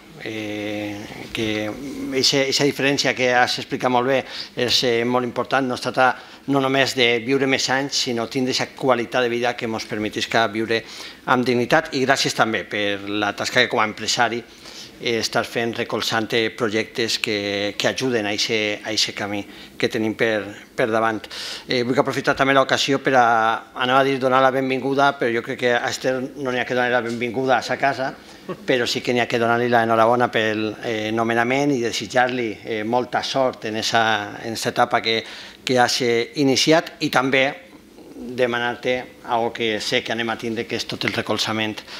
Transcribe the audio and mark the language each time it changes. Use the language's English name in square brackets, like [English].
[Spanish] Que esa diferencia que has explicado muy bien es muy importante. No se trata [Catalan] no només de viure més anys, sino tindre [Spanish] esa cualidad [Catalan] de vida que [Spanish] nos permitisca [Catalan] viure amb dignitat. [Spanish] Y gracias también por la [Catalan] tasca que como empresari estar fent recolzant projectes que ajuden a ese camí que tenim per davant. Vull aprofitar també l'ocasió per anava a dir donar la benvinguda, però jo crec que a Esther no n'hi ha que donar la benvinguda a sa casa, però sí que n'hi ha que donar-li la enhorabona pel nomenament i desitjar-li molta sort en [Spanish] esa etapa [Catalan] que has iniciat i també demanar-te algo que sé que anem a tindre, que és tot el recolzament